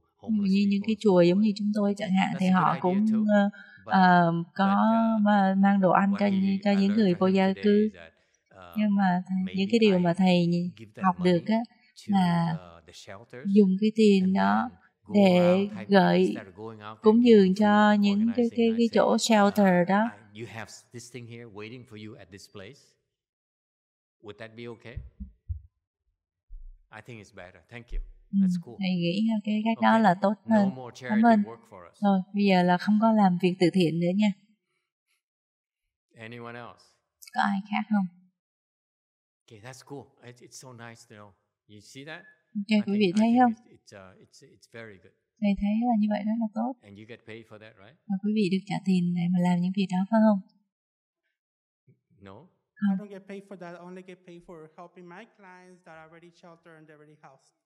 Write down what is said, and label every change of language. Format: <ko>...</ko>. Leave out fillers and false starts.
<vi>Như những cái chùa giống như chúng tôi chẳng hạn thì họ cũng có mang đồ ăn cho những người vô gia cư. Nhưng mà những cái điều mà thầy học được á là dùng cái tiền đó để gửi cúng dường cho những cái chỗ shelter đó.</vi> <en>You have this thing here waiting for you at this place. Would that be okay? I think it's better. Thank you.</en> <vi>Thầy nghĩ cái cách đó là tốt hơn. Cảm ơn. Rồi, bây giờ là không có làm việc từ thiện nữa nha.</vi> <en>Anyone else?</en> <vi>Có ai khác không?</vi> <en>Okay, that's cool. It's so nice to know. You see that?</en> <vi>Okay, quý vị thấy không?</vi> <en>It's very good.</en> <vi>Thầy thấy là như vậy rất là tốt.</vi> <en>And you get paid for that, right?</en> <vi>Và quý vị được trả tiền để mà làm những việc đó phải không?</vi> <en>No. I don't get paid for that. I only get paid for helping my clients that are already sheltered and they're already housed.</en>